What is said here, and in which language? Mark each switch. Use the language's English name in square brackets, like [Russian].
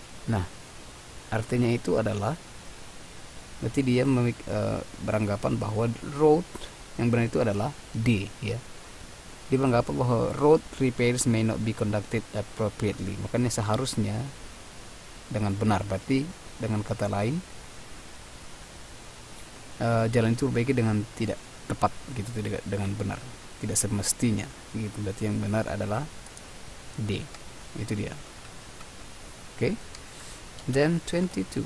[Indonesian] Nah, artinya itu adalah berarti dia beranggapan bahwa road yang benar itu adalah D ya. Dia beranggapan bahwa [English] road repairs may not be conducted appropriately. [Indonesian] Makanya seharusnya dengan benar. Berarti dengan kata lain, jalan itu diperbaiki dengan tidak tepat, gitu, dengan benar, tidak semestinya, gitu. Berarti yang benar adalah D. Itu dia. Oke. [English] Then 22.